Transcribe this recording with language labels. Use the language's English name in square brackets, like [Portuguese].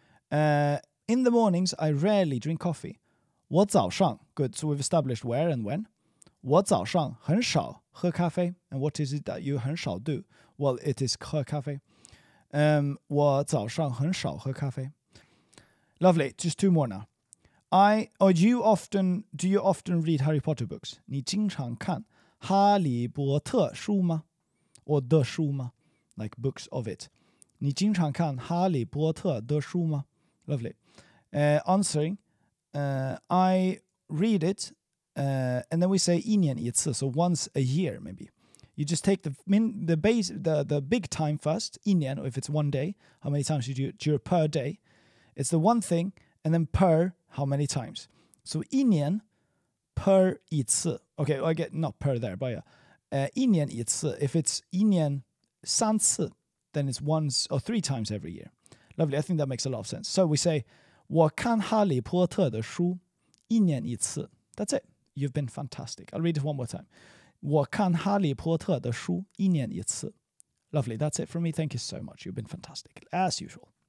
[English] In the mornings, I rarely drink coffee. [Chinese] 我早上, [English] good, so we've established where and when. [Chinese] 我早上很少喝咖啡. [English] And what is it that you [Chinese] 很少 [English] do? Well, it is [Chinese] 喝咖啡. 我早上很少喝咖啡. [English] Lovely, just two more now. Do you often read Harry Potter books? [Chinese] 你经常看哈利波特书吗? [English] Or [Chinese] 的书吗? [English] Like books of it. [Chinese] 你经常看哈利波特的书吗? [English] Lovely. Answering, I read it, and then we say [Chinese] 一年一次, [English] so once a year maybe. You just take the big time first, [Chinese] 一年, [English] or if it's one day, how many times you do it per day. It's the one thing, and then per how many times. So [Chinese] 一年 [English] per [Chinese] 一次. [English] Okay, well, I get not per there, but yeah. [Chinese] 一年一次, [English] if it's [Chinese] 一年三次, [English] then it's once or three times every year. Lovely, I think that makes a lot of sense. So we say, [Chinese] 我看哈利波特的书一年一次. [English] That's it. You've been fantastic. I'll read it one more time. [Chinese] 我看哈利波特的书一年一次. [English] Lovely, that's it from me. Thank you so much. You've been fantastic, as usual.